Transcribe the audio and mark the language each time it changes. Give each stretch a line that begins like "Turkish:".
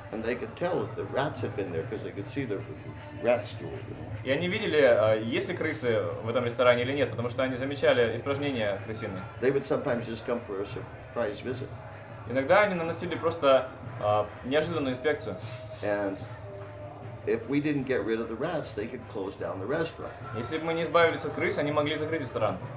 English: And they could tell if the rats had been there because they could see the rat stool.
Russian: И они видели, есть ли крысы в этом ресторане или нет, потому что они замечали испражнения крысиные.
English: They would sometimes just come for a surprise visit.
Russian: Иногда они наносили просто неожиданную инспекцию.
English: And if we didn't get rid of the rats, they could close down the restaurant.
Russian: Если бы мы не избавились от крыс, они могли закрыть ресторан.